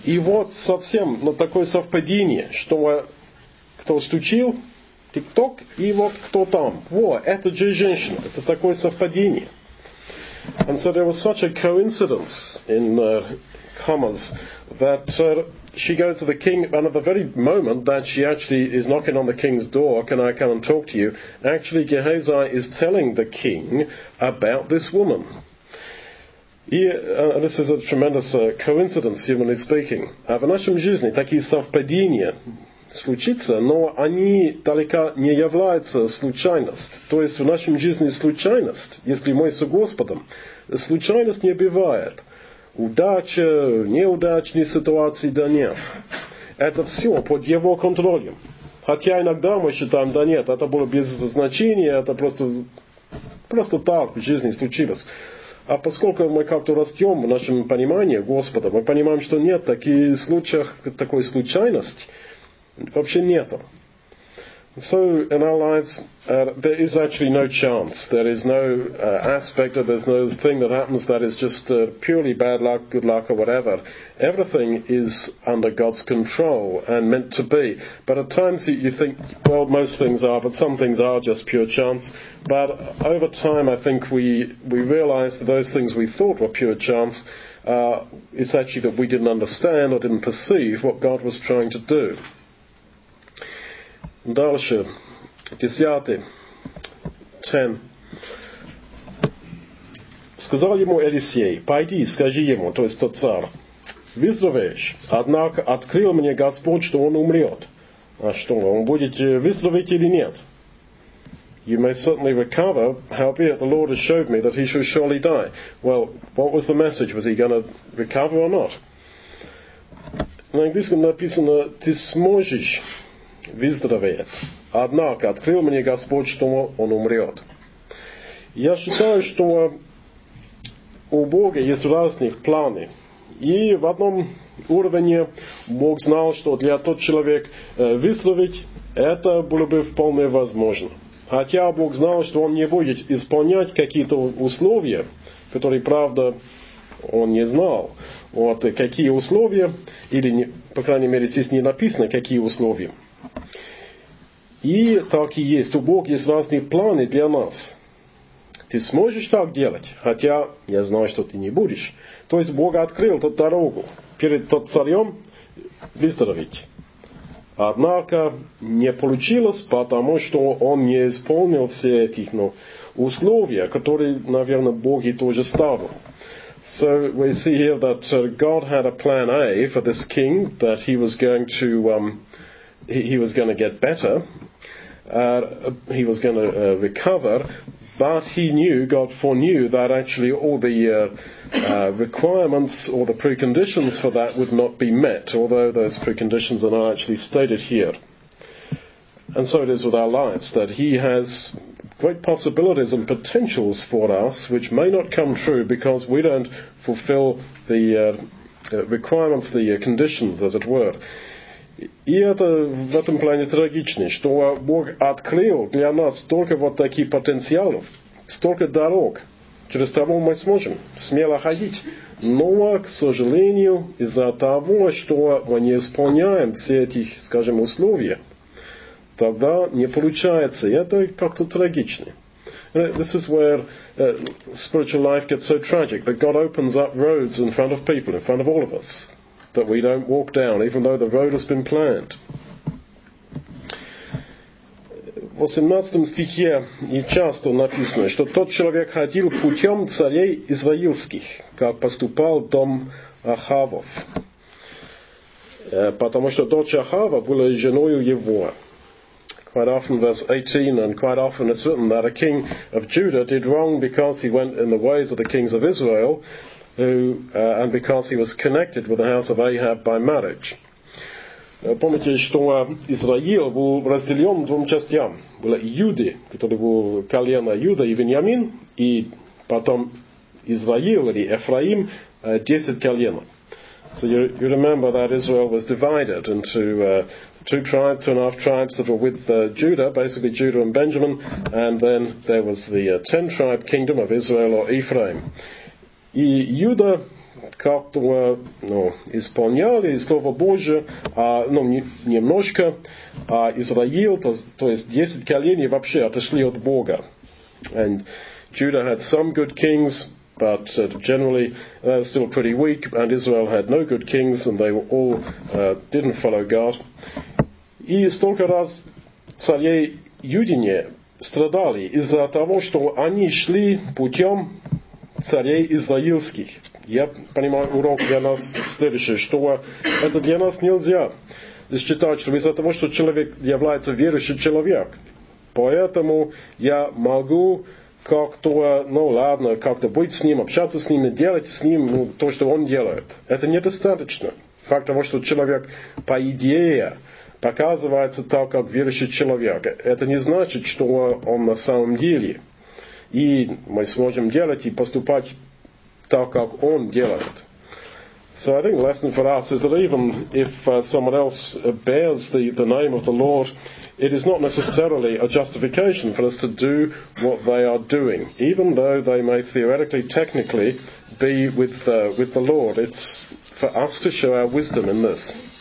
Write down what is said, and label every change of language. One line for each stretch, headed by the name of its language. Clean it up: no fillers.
Russian: И вот совсем на такое совпадение, что кто стучил, тик-ток, и вот кто там. Во, это же женщина, это такое совпадение.
English: And so there was such a coincidence in Hamas that she goes to the king, and at the very moment that she actually is knocking on the king's door, can I come and talk to you? Actually, Gehazi is telling the king about this woman. This is a tremendous coincidence, humanly speaking.
Russian: В нашем жизни такие совпадения случаются, но они далеко не являются случайностью. То есть в нашем жизни случайность, если мы с Господом, случайность не бывает. Удача, неудачные ситуации, да нет. Это все под его контролем. Хотя иногда мы считаем, да нет, это было без значения, это просто так в жизни случилось. А поскольку мы как-то растем в нашем понимании Господа, мы понимаем, что нет таких случаев, такой случайности вообще нету.
English: So in our lives, there is actually no chance. There is no aspect, or there's no thing that happens that is just purely bad luck, good luck, or whatever. Everything is under God's control and meant to be. But at times you think, well, most things are, but some things are just pure chance. But over time, I think we realize that those things we thought were pure chance, it's actually that we didn't understand or didn't perceive what God was trying to do.
Russian: Дальше, 10, 10. Сказал ему Елисей, пойди, скажи ему, то есть тот царь, выздоровеешь, однако открыл мне Господь, что он умрет. А что, он будет выздороветь или нет?
English: You may certainly recover, howbeit the Lord has showed me that he shall surely die. Well, what was the message? Was he going to recover or not?
Russian: На английском написано, ты сможешь выздоровеет. Однако открыл мне Господь, что он умрет. Я считаю, что у Бога есть разные планы. И в одном уровне Бог знал, что для тот человек выздороветь, это было бы вполне возможно. Хотя Бог знал, что он не будет исполнять какие-то условия, которые, правда, он не знал. Вот, какие условия, или, по крайней мере, здесь не написано, какие условия. И так и есть. У Бога есть разные планы для нас. Ты сможешь так делать? Хотя я знаю, что ты не будешь. То есть Бог открыл ту дорогу перед тот царем выздороветь. Однако не получилось, потому что он не исполнил все эти условия, которые, наверное, Бог и тоже ставил.
English: So we see here that God had a plan A for this king, that he was going to he was going to get better, he was going to recover, but he knew, God foreknew, that actually all the requirements or the preconditions for that would not be met, although those preconditions are not actually stated here. And so it is with our lives, that he has great possibilities and potentials for us, which may not come true because we don't fulfill the requirements, the conditions, as it were.
Russian: И это в этом плане трагично, что Бог открыл для нас столько вот таких потенциалов, столько дорог, через того мы сможем смело ходить. Но, к сожалению, из-за того, что мы не исполняем все эти, скажем, условия, тогда не получается. И это как-то трагично.
English: This is where spiritual life gets so tragic, that God opens up roads in front of people, in front of all of us, that we don't walk down, even though the road has been planned.
Russian: В 18 стихе и часто написано, что тот человек ходил путем царей израильских, как поступал дом Ахавов, потому что дочь Ахава была женою его.
English: quite often, verse 18, and quite often it's written that a king of Judah did wrong because he went in the ways of the kings of Israel, and because he was connected with the house of Ahab by marriage.
Russian: Помните, что Израил был разделен двум частям. Были Иуды, которые были колено Иуда и Вениамин, и потом Израил или Эфраим, 10 колен.
English: So you remember that Israel was divided into two tribes, two and a half tribes that were with Judah, basically Judah and Benjamin, and then there was the 10 tribe kingdom of Israel or Ephraim.
Russian: И Иуда как-то исполняли Слово Божие немножко, а Израил, то есть 10 колен вообще отошли от Бога.
English: And Judah had some good kings, but generally they were still pretty weak, and Israel had no good kings, and they were all didn't follow God.
Russian: И столько раз царей Юдине страдали из-за того, что они шли путем царей израильских. Я понимаю, урок для нас следующий, что это для нас нельзя считать, что из-за того, что человек является верующим человек, поэтому я могу как-то, как-то быть с ним, общаться с ним, делать с ним то, что он делает. Это недостаточно. Факт того, что человек по идее показывается так, как верующий человек, это не значит, что он на самом деле. И мы сможем делать и поступать так, как он делает.
English: So I think the lesson for us is that even if someone else bears the name of the Lord, it is not necessarily a justification for us to do what they are doing. Even though they may theoretically, technically be with the Lord, it's for us to show our wisdom in this.